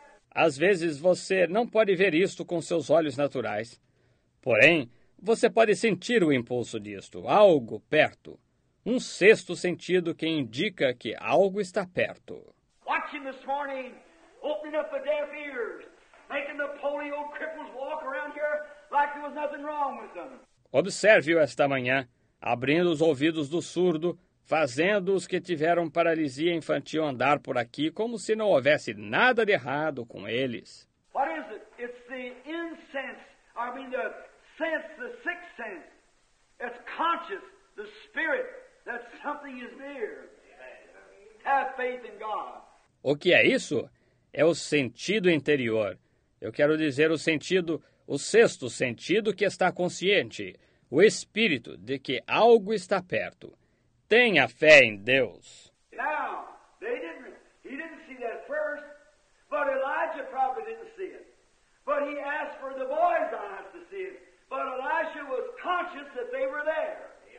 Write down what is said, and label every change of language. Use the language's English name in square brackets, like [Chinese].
[Portuguese] Às vezes você não pode ver isto com seus olhos naturais. Porém, você pode sentir o impulso disto, algo perto. Um sexto sentido que indica que algo está perto. [English] Watching this morning, opening up the deaf ears, making the polio cripples walk around here like there was nothing wrong with them. [Portuguese] Observe-o esta manhã, abrindo os ouvidos do surdo, fazendo os que tiveram paralisia infantil andar por aqui como se não houvesse nada de errado com eles. [English] What is it? It's the incense, I mean the sense, the sixth sense. It's conscious, the spirit, that something is near. Have faith in God. [Portuguese] O que é isso? É o sentido interior. Eu quero dizer o sentido, o sexto sentido que está consciente, o espírito de que algo está perto. Tenha fé em Deus. [English] Now, he didn't see that first, but Elijah probably didn't see it. But he asked for the boy's eyes to see it. But Elijah was conscious that they were there.